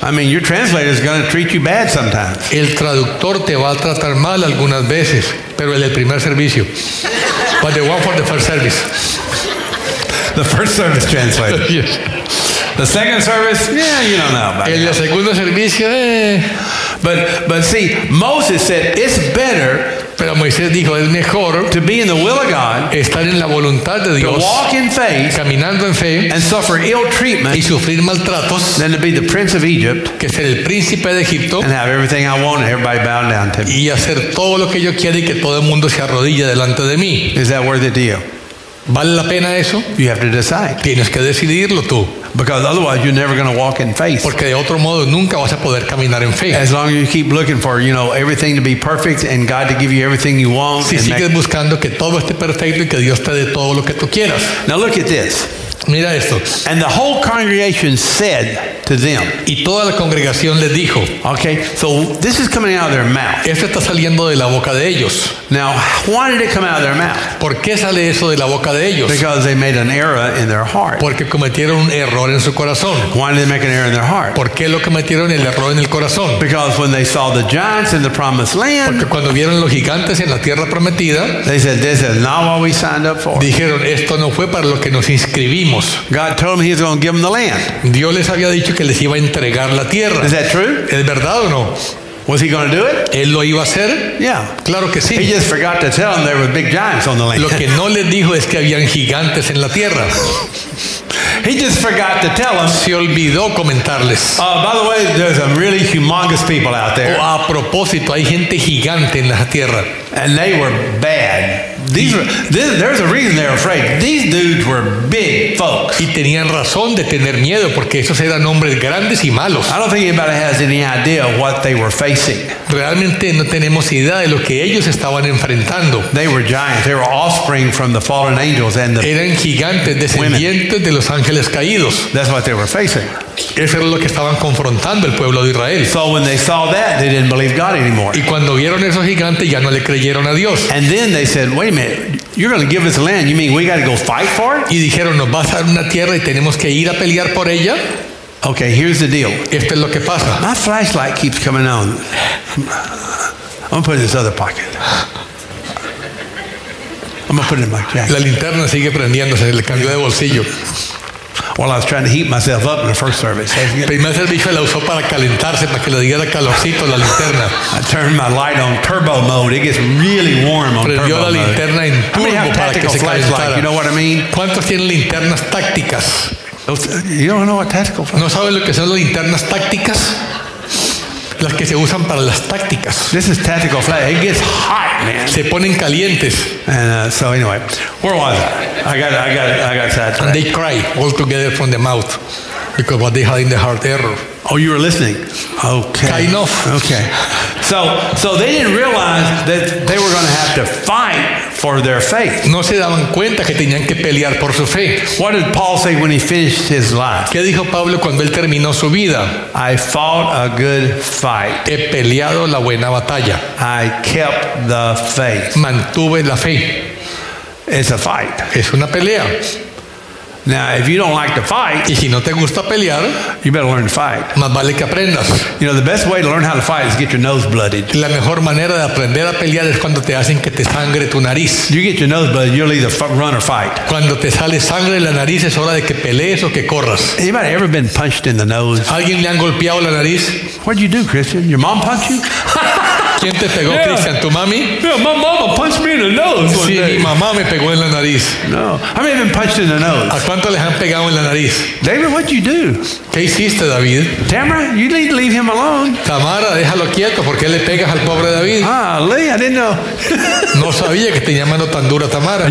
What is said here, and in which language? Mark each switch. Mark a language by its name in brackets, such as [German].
[English] I mean, your translator is going to treat you bad sometimes. [Spanish] El traductor te va a tratar mal algunas veces, pero en el primer servicio. [English] But the one for the first service. The first service translator. Yes. The second service, yeah, you don't know about it. [Spanish] El segundo servicio, [English] But see, Moses said it's better. [Spanish] Pero Moisés dijo, es mejor [English] to be in the will of God, [Spanish] estar en la voluntad de Dios, [English] to walk in faith, [Spanish] caminando en fe, [English] and suffer ill treatment, [Spanish] y sufrir maltratos, [English] than to be the prince of Egypt, [Spanish] que ser el príncipe de Egipto, [English] and have everything I want and everybody bow down to me. [Spanish] Y hacer todo lo que yo quiera y que todo el mundo se arrodille delante de mí. [English] Is that worth it to you? [Spanish] ¿Vale la pena eso? [English] You have to decide. [Spanish] Tienes que decidirlo tú. [English] Because otherwise you're never going to walk in faith. [Spanish] Porque de otro modo nunca vas a poder caminar en fe. [English] As long as you keep looking for, you know, everything to be perfect and God to give you everything you want. [Spanish] Si [English] and [Spanish] sigues buscando que todo esté perfecto y que Dios te dé todo lo que tú quieras. [English] Now look at this. [Spanish] Mira esto. [English] And the whole congregation said to them. [Spanish] Y toda la congregación les dijo. [English] Okay, so this is coming out of their mouth. [Spanish] Esto está saliendo de la boca de ellos. [English] Now, why did it come out of their mouth? [Spanish] ¿Por qué sale eso de la boca de ellos? [English] Because they made an error in their heart. [Spanish] Porque cometieron un error en su corazón. [English] Why did they make an error in their heart? [Spanish] ¿Por qué lo cometieron el error en el corazón? [English] Because when they saw the giants in the promised land. [Spanish] Porque cuando vieron los gigantes en la tierra prometida. [English] They said, this is not what we signed up for. [Spanish] Dijeron, esto no fue para lo que nos inscribimos. [English] God told them he was going to give them the land. [Spanish] Dios les había dicho que les iba a entregar la tierra. [English] Is that true? [Spanish] ¿Es verdad o no? [English] Was he going to do it? [Spanish] ¿Él lo iba a hacer? [English] Yeah. [Spanish] Claro que sí. [English] He just forgot to tell them there were big giants on the land. [Spanish] Lo que no les dijo es que habían gigantes en la tierra. [English] He just forgot to tell them. [Spanish] Se olvidó comentarles. [English] By the way, there's some really humongous people out there. [Spanish] A propósito, hay gente gigante en la tierra. [English] And they were bad. There's a reason they're afraid. These dudes were big folks. [Spanish] Y tenían razón de tener miedo porque esos eran hombres grandes y malos. [English] I don't think anybody has any idea what they were facing. [Spanish] Realmente no tenemos idea de lo que ellos estaban enfrentando. [English] They were giants. They were offspring from the fallen angels and the women. [Spanish] Eran gigantes descendientes de los ángeles caídos. [English] That's what they were facing. [Spanish] Eso era lo que estaban confrontando el pueblo de Israel. [English] So when they saw that, they didn't believe God anymore. [Spanish] Y cuando vieron esos gigantes ya no le creyeron a Dios. [English] And then they said, wait a minute, you're going to give us land. You mean we got to go fight for it? [Spanish] Y dijeron, nos vas a dar una tierra y tenemos que ir a pelear por ella. [English] Okay, here's the deal. [Spanish] Esto es lo que pasa. [English] My flashlight keeps coming on. I'm going to put it in this other pocket. I'm going to put it in my jacket. [Spanish] La linterna sigue prendiéndose, le cambió de bolsillo. [English] While I was trying to heat myself up in the first service. [Spanish] Primer servicio la usó para calentarse, para que le diera calorcito la linterna. [English] I turned my light on turbo mode. It gets really warm on turbo [Spanish] la linterna [English] mode. [Spanish] En turbo. [English] How many have tactical flashlights? You know what I mean? [Spanish] ¿Cuántos tienen linternas tácticas? [English] You don't know what tactical flashlights. [Spanish] ¿No saben lo que son las linternas tácticas? Las que se usan para las tácticas. [English] This is tactical flash. It gets hot, man. [Spanish] Se ponen calientes. [English] And so anyway, where was I? I got sad. And they cry all together from the mouth because what they had in the heart error. Oh, you were listening. Okay. Kind of. Okay. So they didn't realize that they were going to have to fight for their faith. [Spanish] No se daban cuenta que tenían que pelear por su fe. [English] What did Paul say when he finished his life? [Spanish] ¿Qué dijo Pablo cuando él terminó su vida? [English] I fought a good fight. [Spanish] He peleado la buena batalla. [English] I kept the faith. [Spanish] Mantuve la fe. [English] It's a fight. [Spanish] Es una pelea. [English] Now, if you don't like to fight, [Spanish] y si no te gusta pelear, [English] you better learn to fight. [Spanish] Más vale que aprendas. [English] You know, the best way to learn how to fight is get your nose bloodied. [Spanish] La mejor manera de aprender a pelear es cuando te hacen que te sangre tu nariz. [English] You get your nose bloodied, you'll either run or fight. [Spanish] Cuando te sale sangre en la nariz, es hora de que pelees o que corras. [English] Anybody ever been punched in the nose? [Spanish] ¿Alguien le han golpeado la nariz? [English] What'd you do, Christian? Your mom punched you? [Spanish] ¿Quién te pegó, [English] yeah. [Spanish] Cristian? ¿Tu mami? [English] Yeah, my mama punched me in the nose. [Spanish] Sí, [English] one day. [Spanish] Mi mamá me pegó en la nariz. [English] No, I haven't been punched in the nose. [Spanish] ¿A cuánto les han pegado en la nariz? [English] David, what'd you do? [Spanish] ¿Qué hiciste, David? [English] Tamara, you need to leave him alone. [Spanish] Tamara, déjalo quieto, ¿por qué le pegas al pobre David? [English] Ah, Lee, I didn't know. [Spanish] No sabía que tenía mano tan dura, Tamara.